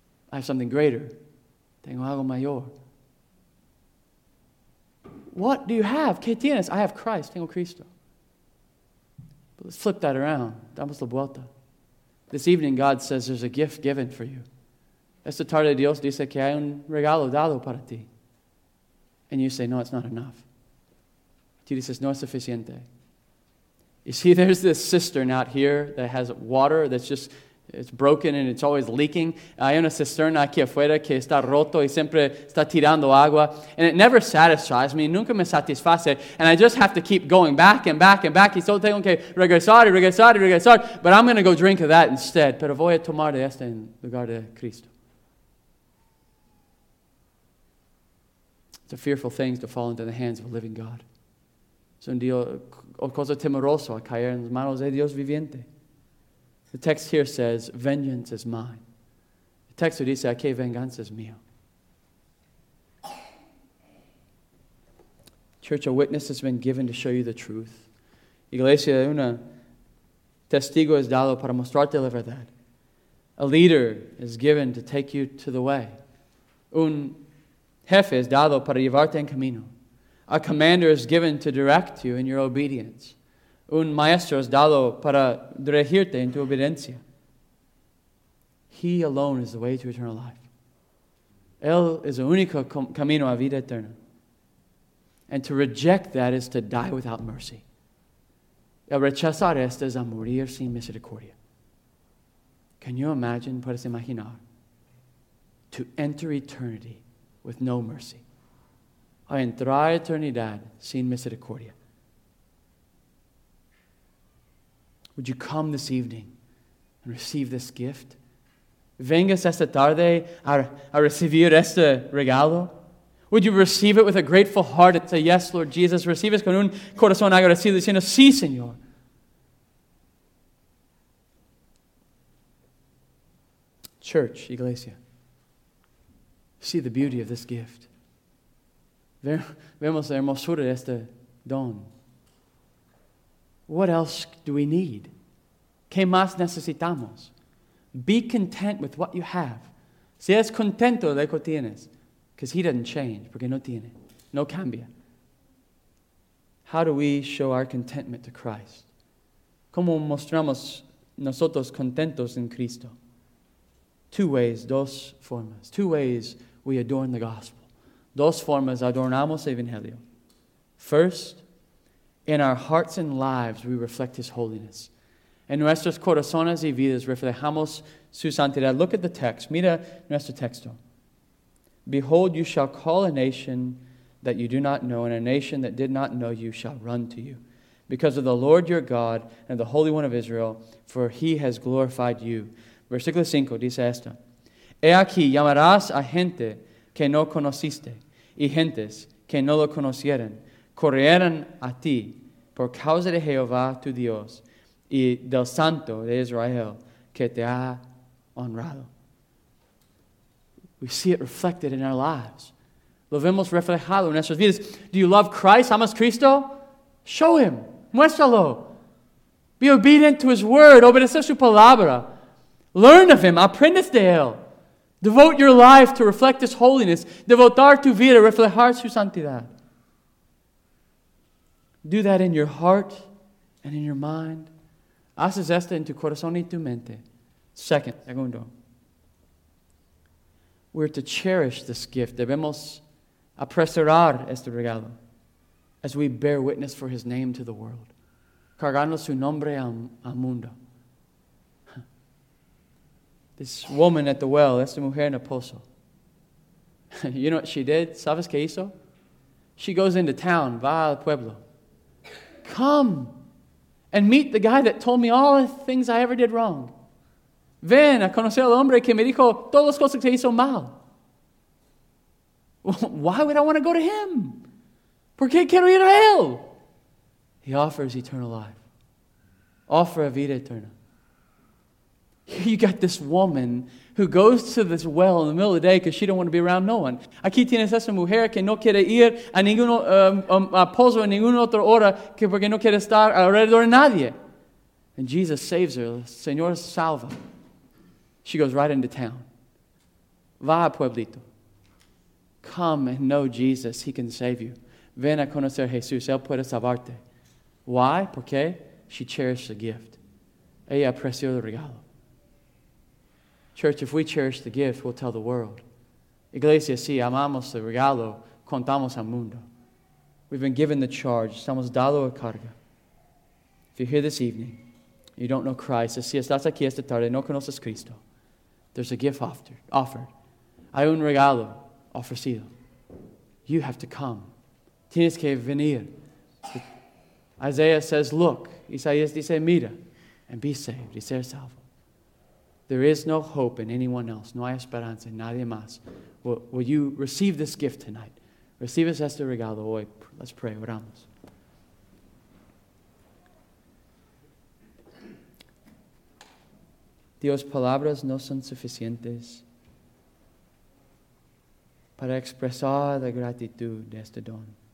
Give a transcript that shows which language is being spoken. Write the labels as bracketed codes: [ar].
[en] I have something greater. [es] Tengo algo mayor. [en] What do you have? [es] ¿Qué tienes? [en] I have Christ. [es] Tengo Cristo. [en] But let's flip that around. [es] Damos la vuelta. [en] This evening, God says there's a gift given for you. [es] Esta tarde, Dios dice que hay un regalo dado para ti. [en] And you say, no, it's not enough. [es] Tú dices, no es suficiente. [en] You see, there's this cistern out here that has water that's just, it's broken and it's always leaking. [es] Hay una cisterna aquí afuera que está roto y siempre está tirando agua. [en] And it never satisfies me. [es] Nunca me satisface. [en] And I just have to keep going back and back and back. [es] Y solo tengo que regresar y regresar y regresar. [en] But I'm going to go drink of that instead. [es] Pero voy a tomar de esta en lugar de Cristo. [en] It's a fearful thing to fall into the hands of a living God. [es] Es un Dios, o cosa temerosa, caer en las manos de Dios viviente. [en] The text here says, vengeance is mine. The text here [es] dice, aquí venganza es mío. [en] Church, a witness has been given to show you the truth. [es] Iglesia, un testigo es dado para mostrarte la verdad. [en] A leader is given to take you to the way. [es] Un jefe es dado para llevarte en camino. [en] A commander is given to direct you in your obedience. [es] Un maestro es dado para dirigirte en tu obediencia. [en] He alone is the way to eternal life. [es] Él es el único camino a vida eterna. [en] And to reject that is to die without mercy. [es] El rechazar esto es a morir sin misericordia. [en] Can you imagine, [es] puedes imaginar, [en] to enter eternity with no mercy? [es] A entrar a eternidad sin misericordia. [en] Would you come this evening and receive this gift? [es] Vengas esta tarde a recibir este regalo? [en] Would you receive it with a grateful heart and say, yes, Lord Jesus, [es] recibes con un corazón agradecido diciendo, sí, Señor. [en] Church, [es] iglesia, [en] see the beauty of this gift. [es] Vemos la hermosura de este don. [en] What else do we need? [es] ¿Qué más necesitamos? [en] Be content with what you have. [es] Si es contento de lo que tienes. [en] Because he doesn't change. [es] Porque no tiene. No cambia. [en] How do we show our contentment to Christ? [es] ¿Cómo mostramos nosotros contentos en Cristo? [en] Two ways, [es] dos formas. [en] Two ways we adorn the gospel. [es] Dos formas adornamos el evangelio. [en] First, in our hearts and lives we reflect his holiness. [es] En nuestros corazones y vidas reflejamos su santidad. [en] Look at the text. [es] Mira nuestro texto. [en] Behold, you shall call a nation that you do not know, and a nation that did not know you shall run to you. Because of the Lord your God and the Holy One of Israel, for he has glorified you. [es] Versículo 5 dice esto. He aquí, llamarás a gente que no conociste, y gentes que no lo conocieran, correrán a ti por causa de Jehová tu Dios, y del Santo de Israel, que te ha honrado. [en] We see it reflected in our lives. [es] Lo vemos reflejado en nuestras vidas. [en] Do you love Christ? [es] ¿Amas Cristo? [en] Show him. [es] Muéstralo. [en] Be obedient to his word. [es] Obedecer su palabra. [en] Learn of him. [es] Aprendes de él. [en] Devote your life to reflect his holiness. [es] Devotar tu vida. Reflejar su santidad. [en] Do that in your heart and in your mind. [es] Haces esto en tu corazón y tu mente. Segundo. [en] We're to cherish this gift. [es] Debemos apresurar este regalo [en] as we bear witness for his name to the world. [es] Cargando su nombre al mundo. [en] This woman at the well, [es] esta mujer en el pozo. [en] You know what she did? [es] ¿Sabes qué hizo? [en] She goes into town, [es] va al pueblo. [en] Come and meet the guy that told me all the things I ever did wrong. [es] Ven a conocer al hombre que me dijo todas las cosas que hizo mal. [en] Why would I want to go to him? [es] ¿Por qué quiero ir a él? [en] He offers eternal life. Offer [es] a vida eterna. [en] Here you got this woman who goes to this well in the middle of the day because she don't want to be around no one. [es] Aquí tienes esa mujer que no quiere ir a ningún pozo en ninguna otra hora que porque no quiere estar alrededor de nadie. [en] And Jesus saves her. [es] Señor salva. [en] She goes right into town. [es] Va a pueblito. [en] Come and know Jesus. He can save you. [es] Ven a conocer Jesús. Él puede salvarte. [en] Why? [es] Porque [en] she cherished the gift. [es] Ella apreció el regalo. [en] Church, if we cherish the gift, we'll tell the world. [es] Iglesia, si amamos el regalo, contamos al mundo. [en] We've been given the charge. [es] Estamos dado a carga. [en] If you're here this evening, you don't know Christ. [es] Si estás aquí esta tarde, no conoces Cristo. [en] There's a gift offered. [es] Hay un regalo ofrecido. [en] You have to come. [es] Tienes que venir. [en] Isaiah says, look. [es] Isaías dice, mira. [en] And be saved. [es] Y ser salvo. [en] There is no hope in anyone else. [es] No hay esperanza en nadie más. [en] Will you receive this gift tonight? [es] Recibes este regalo hoy. [en] Let's pray. [es] Oramos. Dios, palabras no son suficientes para expresar la gratitud de este don.